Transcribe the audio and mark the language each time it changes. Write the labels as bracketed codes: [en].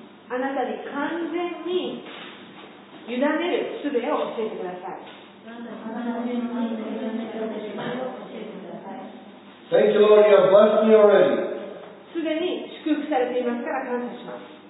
[ja] あなたに完全に委ねる術を教えてください。 [en] Thank you, Lord, you have blessed me already. [ja] すでに祝福されていますから感謝します。